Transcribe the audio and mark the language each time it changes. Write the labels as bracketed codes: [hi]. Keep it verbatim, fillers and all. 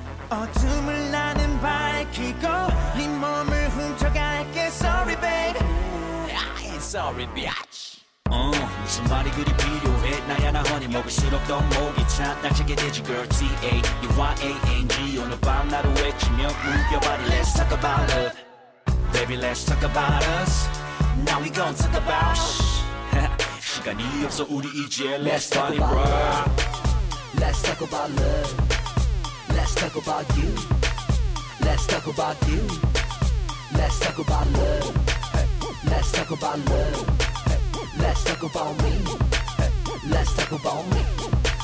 [ko] 어둠을 나는 밝히고 네 몸을 훔쳐갈게 [en] Sorry babe I ain't sorry bitch [ko] 어 무슨 말이 그리 필요해 나야 나 허니 먹을수록 더 목이 차 딱 찾게 되지 girl T A U Y A N G 오늘 밤 나를 외치며 [en] move your body Let's talk about love Baby let's talk about us Now we gon' talk about shh [ko] 시간이 없어 우리 이제 [en] Let's party bro Let's talk about love Let's talk about you Let's talk about you Let's talk about love Let's talk about love Let's talk about me Let's talk about me